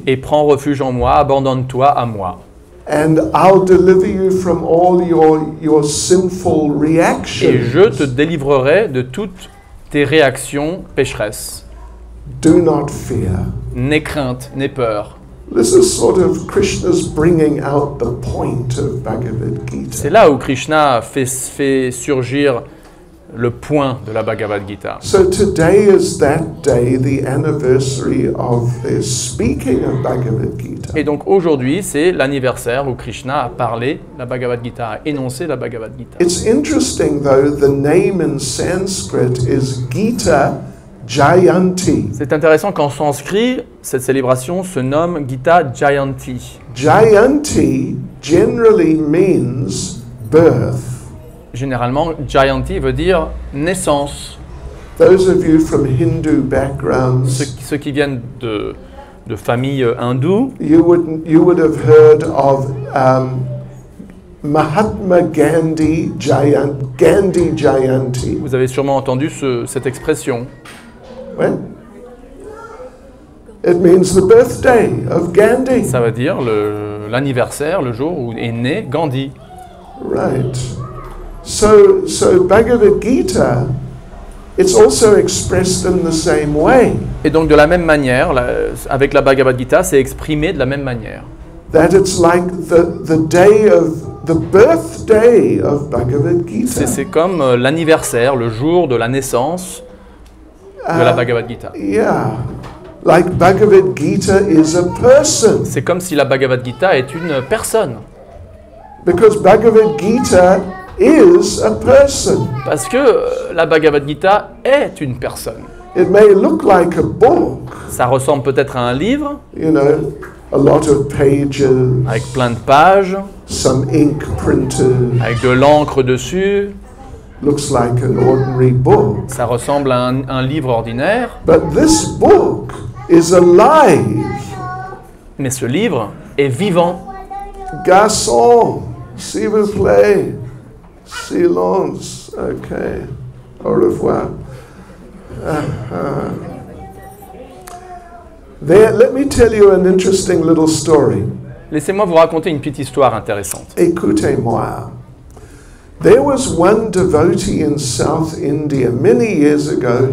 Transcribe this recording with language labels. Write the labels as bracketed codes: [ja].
[fr] Et prends refuge en moi, abandonne-toi à moi. [en] And I'll deliver you from all your sinful reactions. [fr] Et je te délivrerai de toutes tes réactions pécheresses. [en] Do not fear. [fr] N'aie crainte, n'aie peur. [en] This is sort of Krishna's bringing out the point of Bhagavad Gita. [fr] C'est là où Krishna fait surgir le point de la Bhagavad Gita. [en] So today is that day, the anniversary of the speaking of Bhagavad Gita. [fr] Et donc aujourd'hui, c'est l'anniversaire où Krishna a parlé la Bhagavad Gita, a énoncé la Bhagavad Gita. [en] It's interesting though, the name in Sanskrit is Gita Jayanti. [fr] C'est intéressant qu'en sanskrit, cette célébration se nomme Gita Jayanti. [en] Jayanti generally means birth. [fr] Généralement, Jayanti veut dire naissance. [en] Those of you from Hindu backgrounds, [fr] ceux qui viennent de familles hindoues, [en] you would have heard of Mahatma Gandhi Gandhi Jayanti. [fr] Vous avez sûrement entendu cette expression. [en] When? It means the birthday of Gandhi. [fr] Ça veut dire l'anniversaire, le jour où est né Gandhi. [en] Right. So Bhagavad Gita, it's also expressed in the same way. [fr] Et donc de la même manière, avec la Bhagavad Gita, c'est exprimé de la même manière. [en] That it's like the day of the birthday of Bhagavad Gita. [fr] C'est comme l'anniversaire, le jour de la naissance de la Bhagavad Gita. [en] Yeah. Like Bhagavad Gita is a person. [fr] C'est comme si la Bhagavad Gita est une personne. [en] Because Bhagavad Gita is a person. [fr] Parce que la Bhagavad Gita est une personne. [en] It may look like a book. [fr] Ça ressemble peut-être à un livre. [en] You know, a lot of pages. [fr] Avec plein de pages. [en] Some ink printed. [fr] Avec de l'encre dessus. [en] Looks like an ordinary book. [fr] Ça ressemble à un livre ordinaire. [en] But this book is alive. [fr] Mais ce livre est vivant. Garçon, s'il vous plaît. Silence. Okay. Au revoir. [en] There, let me tell you an interesting little story. [fr] Laissez-moi vous raconter une petite histoire intéressante. Écoutez-moi. [en] There was one devotee in South India many years ago.